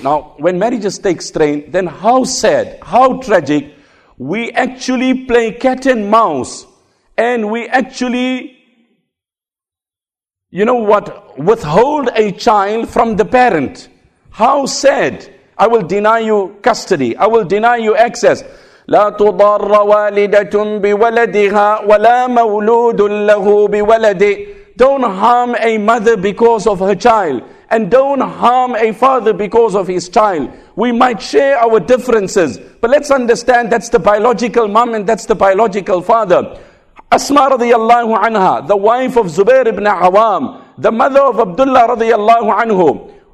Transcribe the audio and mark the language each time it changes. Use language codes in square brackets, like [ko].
[en] Now, when marriages take strain, then how sad, how tragic, we actually play cat and mouse and we actually, you know what, withhold a child from the parent. How sad. I will deny you custody. I will deny you access. [ar] لا تضر والدة بولدها ولا مولود له بولده. [en] Don't harm a mother because of her child. And don't harm a father because of his child. We might share our differences. But let's understand that's the biological mom and that's the biological father. Asma radiallahu anha, the wife of Zubair ibn Awam, the mother of Abdullah radiallahu anhu.